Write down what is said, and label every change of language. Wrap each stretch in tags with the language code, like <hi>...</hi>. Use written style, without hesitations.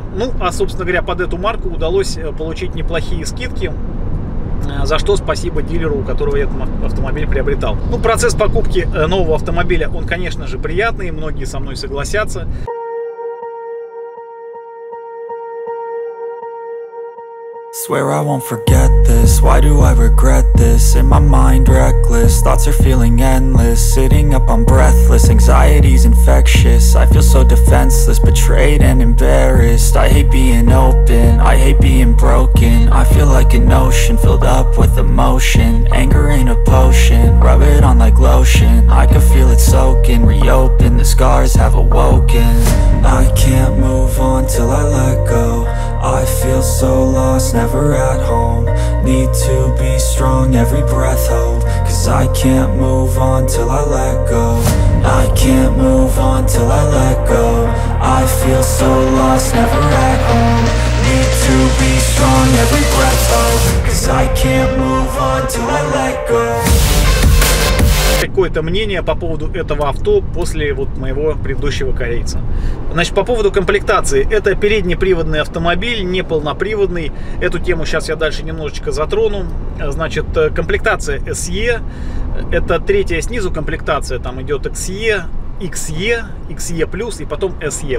<ru>Ну, а, собственно говоря, под эту марку удалось получить неплохие скидки, за что спасибо дилеру, у которого я этот автомобиль приобретал. Ну, процесс покупки нового автомобиля, он, конечно же, приятный, многие со мной согласятся.</ru> <en>Swear I won't forget this. Why do I regret this? In my mind reckless, thoughts are feeling endless. Sitting up, I'm breathless. Anxiety's infectious. I feel so defenseless, betrayed and embarrassed. I hate being open. I hate being broken. I feel like an ocean filled up with emotion. Anger ain't a potion. Rub it on like lotion. I can feel it soaking. Reopen, the scars have awoken. I can't move on till I let go. I feel so lost, never at home. Need to be strong, every breath hold. 'Cause I can't move on till I let go. I can't move on till I let go. I feel so lost, never at home. Need to be strong, every breath hold. 'Cause I can't move on till I let go.</en> <ru>Какое-то мнение по поводу этого авто после вот моего предыдущего корейца. Значит, по поводу комплектации. Это переднеприводный автомобиль, не полноприводный. Эту тему сейчас я дальше немножечко затрону. Значит, комплектация SE. Это третья снизу комплектация. Там идет XE, XE, XE+, и потом SE.</ru>